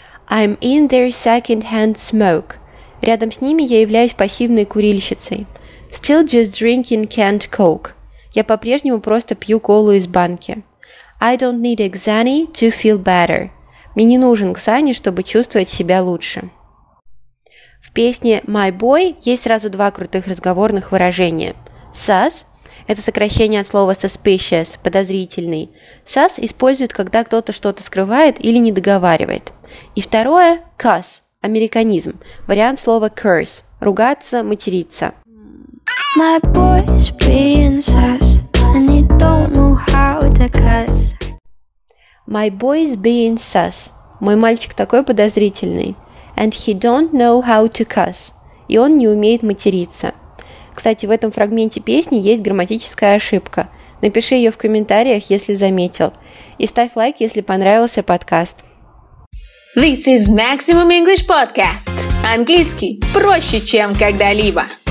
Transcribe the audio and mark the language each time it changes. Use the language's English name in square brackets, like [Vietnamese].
[English] I'm in their second-hand smoke. [Russian] Рядом с ними я являюсь пассивной курильщицей. [English] Still just drinking canned coke. [Russian] Я по-прежнему просто пью колу из банки. [English] I don't need a Xanny to feel better. [Russian] Мне не нужен Xanny, чтобы чувствовать себя лучше. В песне My Boy есть сразу два крутых разговорных выражения. [English] Sus. [Russian] Это сокращение от слова suspicious, подозрительный. Sus используют, когда кто-то что-то скрывает или не договаривает. И второе – cuss, американизм, вариант слова curse, ругаться, материться. [English] My boy's being sus, and he don't know how to cuss. My boy's being sus. [Russian] Мой мальчик такой подозрительный. [English] And he don't know how to cuss. [Russian] И он не умеет материться. Кстати, в этом фрагменте песни есть грамматическая ошибка. Напиши ее в комментариях, если заметил. И ставь лайк, если понравился подкаст. [English] This is Maximum English Podcast. [Russian] Английский проще, чем когда-либо.